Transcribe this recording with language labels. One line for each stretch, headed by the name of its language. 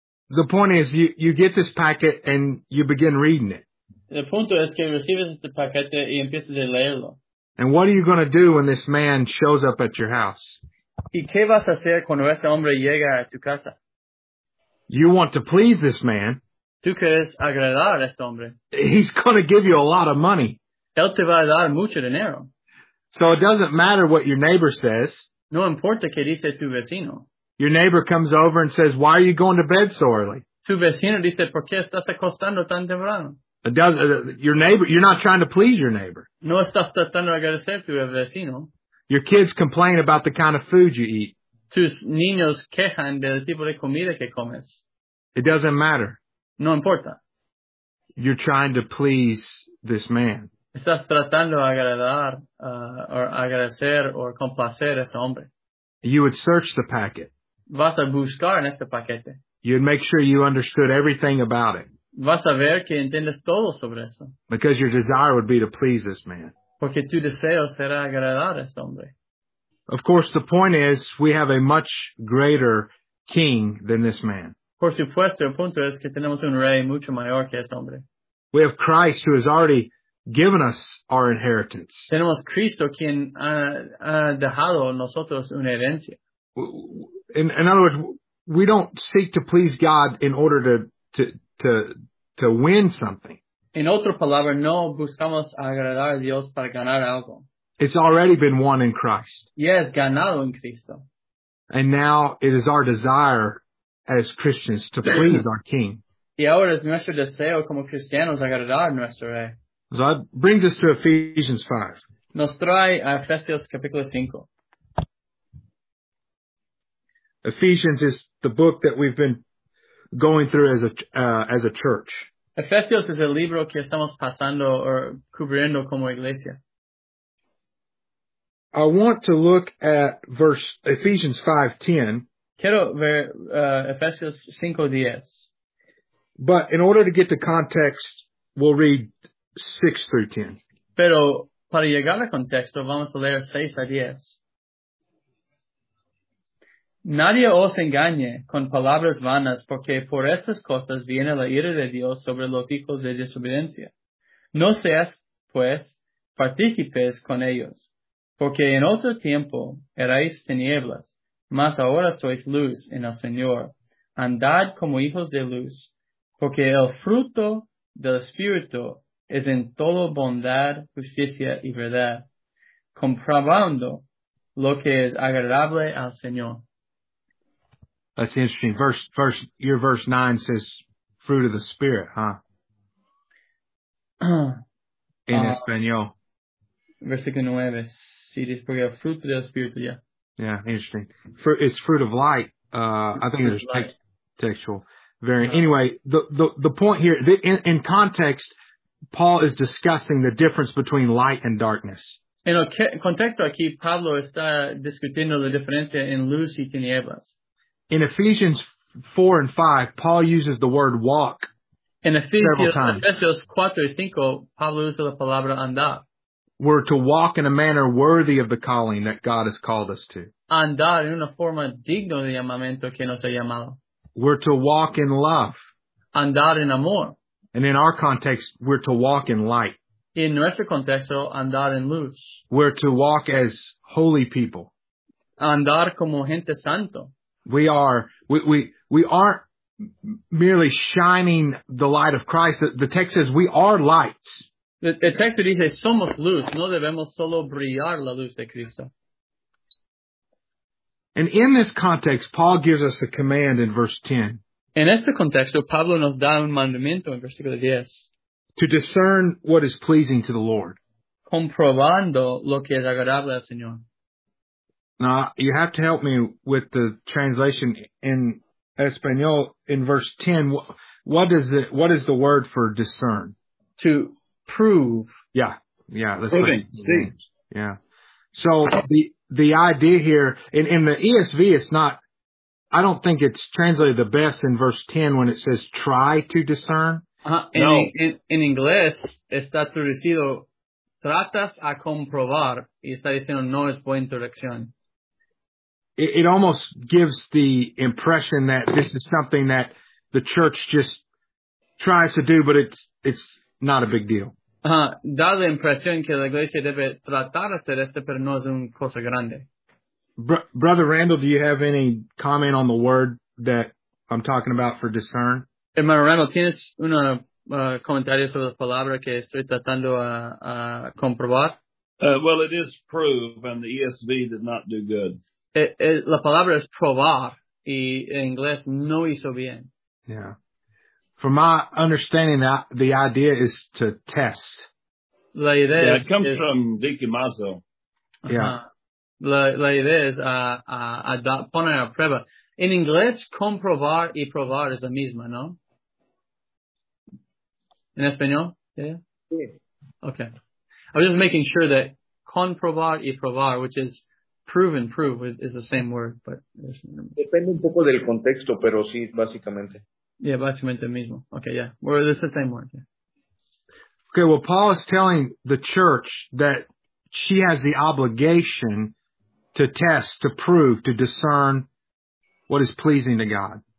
English: The point is, you get this packet and you begin reading it.
Spanish: El punto es que recibes este paquete y empiezas a leerlo.
English: And what are you going to do when this man shows up at your house?
Spanish: ¿Y qué vas a hacer cuando ese hombre llega a tu casa?
English: You want to please this man.
Spanish: Tú quieres agradar a este hombre.
English: He's going to give you a lot of money.
Spanish: Él te va a dar mucho dinero.
English: So it doesn't matter what your neighbor says.
Spanish: No importa qué dice tu vecino.
English: Your neighbor comes over and says, why are you going to bed so early?
Spanish: Tu vecino dice, ¿por qué estás acostando tan temprano?
English: Your neighbor, you're not trying to please your neighbor.
Spanish: No estás tratando de agradecer tu vecino.
English: Your kids complain about the kind of food you eat.
Spanish: Tus niños quejan del tipo de comida que comes.
English: It doesn't matter.
Spanish: No importa.
English: You're trying to please this man.
Spanish: Estás tratando de agradar, or agradecer o complacer a ese hombre.
English: You would search the packet.
Spanish: Vas a buscar en este paquete.
English: You'd make sure you understood everything about it.
Spanish: Vas a ver que entiendes todo sobre eso.
English: Because your desire would be to please this man.
Spanish: Porque tu deseo será agradar a este hombre.
English: Of course, the point is, we have a much greater king than this man.
Spanish: Por supuesto, el punto es que tenemos un rey mucho mayor que este hombre.
English: We have Christ, who has already given us our inheritance.
Spanish: Tenemos Cristo quien ha dejado nosotros una herencia.
English: In other words, we don't seek to please God in order to win something.
Spanish: En otra palabra, no buscamos agradar a Dios para ganar algo.
English: It's already been won in Christ.
Spanish: Yes, ganado en Cristo.
English: And now it is our desire as Christians to please our King.
Spanish: Y ahora es nuestro deseo como cristianos agradar a nuestro rey.
English: So that brings us to Ephesians 5.
Spanish: Nos trae a Efesios capítulo 5.
English: Ephesians is the book that we've been going through as a church.
Spanish: Efesios es el libro que estamos pasando o cubriendo como iglesia.
English: I want to look at verse Ephesians 5:10.
Spanish: Quiero ver Efesios 5:10.
English: But in order to get to context, we'll read 6 through 10.
Spanish: Pero para llegar al contexto, vamos a leer 6 a 10. Nadie os engañe con palabras vanas, porque por estas cosas viene la ira de Dios sobre los hijos de desobediencia. No seas, pues, partícipes con ellos, porque en otro tiempo erais tinieblas, mas ahora sois luz en el Señor. Andad como hijos de luz, porque el fruto del Espíritu es en todo bondad, justicia y verdad, comprobando lo que es agradable al Señor.
English: That's interesting. Verse 9 says fruit of the Spirit, huh?
Spanish: En español. Versículo 9, sí, dice porque el fruto del Espíritu, ya.
English: Yeah, interesting. It's fruit of light. I think it's textual. Anyway, the point here, in context, Paul is discussing the difference between light and darkness.
Spanish: En el contexto aquí, Pablo está discutiendo la diferencia en luz y tinieblas.
English: In Ephesians 4 and 5, Paul uses the word walk
Spanish: Ephesios 4 y 5, Pablo usa la palabra andar.
English: We're to walk in a manner worthy of the calling that God has called us to.
Spanish: Andar en una forma digna del llamamiento que nos ha llamado.
English: We're to walk in love.
Spanish: Andar en amor.
English: And in our context, we're to walk in light.
Spanish: En nuestro contexto, andar en luz.
English: We're to walk as holy people.
Spanish: Andar como gente santo.
English: We aren't merely shining the light of Christ. The text says we are lights.
Spanish: El texto dice, somos luz. No debemos solo brillar la luz de Cristo.
English: And in this context, Paul gives us a command in verse 10.
Spanish: En este contexto, Pablo nos da un mandamiento en versículo 10.
English: To discern what is pleasing to the Lord.
Spanish: Comprobando lo que es agradable al Señor.
English: Now, you have to help me with the translation in Espanol in verse 10. What is the word for discern? To prove. Yeah. Yeah. Let's proving. See. Yeah. So the idea here in the ESV, it's not, I don't think it's translated the best in verse 10 when it says try to discern.
Spanish: In inglés está traducido tratas a comprobar y está diciendo no es buena traducción.
English: It almost gives the impression that this is something that the church just tries to do, but it's not a big deal.
Spanish: Da la impresión que la iglesia debe tratar hacer esto, pero no es una cosa grande.
English: Brother Randall, do you have any comment on the word that I'm talking about for discern?
Spanish: Hermano Randall, ¿tienes una comentario sobre la palabra que estoy tratando a comprobar?
English: Well, it is prove, and the ESV did not do good.
Spanish: La palabra es probar, y en inglés no hizo bien.
English: Yeah. From my understanding, the idea is to test.
Spanish: La idea
English: yeah,
Spanish: es,
English: it comes
Spanish: es,
English: from Dicky Mazo. Yeah.
Spanish: La idea es a poner a prueba. En inglés, comprobar y probar es la misma, ¿no? En español? Yeah.
English: Okay. I'm just making sure that
Spanish: comprobar y probar,
English: which is proven, prove, is the same word. But
Spanish: depende un poco del contexto, pero sí, básicamente.
English: Yeah,
Spanish: básicamente mismo.
English: Okay, yeah. Well, it's the same word. Yeah. Okay, well, Paul is telling the church that she has the obligation to test, to prove, to discern what is pleasing to God.